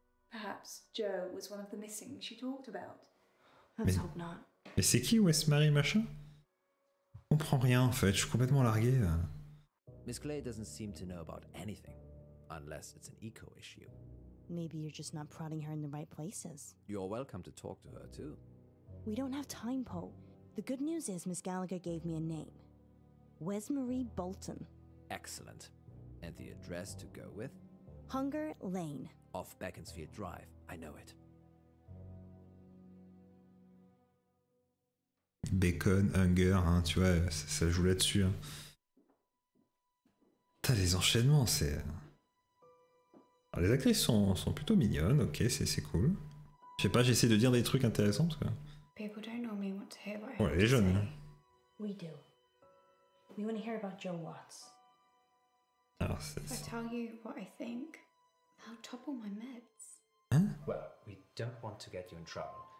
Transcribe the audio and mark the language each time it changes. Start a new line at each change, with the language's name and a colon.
English: Perhaps Joe was one of the missing she talked about. Let's hope not.
French: Mais c'est qui Westmary machin? Je comprends rien en fait, je suis complètement largué.
English: Miss Clay doesn't seem to know about anything, unless it's an eco issue. Maybe you're just not prodding her in the right places. You're welcome to talk to her too. We don't have time, Paul. The good news is Miss Gallagher gave me a name. Westmary Bolton. Excellent. And the address to go with? Hunger Lane. Off Beaconsfield Drive. I know it.
French: Bacon, Hunger, hein, tu vois, ça joue là-dessus. Hein. T'as les enchaînements, c'est... Alors, les actrices sont plutôt mignonnes, ok, c'est cool. Je sais pas, j'essaie de dire des trucs intéressants, parce que...
English: People don't normally want to hear what I have to say. We do. We want to hear about Joe Watts.
French: Alors,
English: if I tell you what I think, I'll topple my meds.
French: Hein?
English: Well, we don't want to get you in trouble.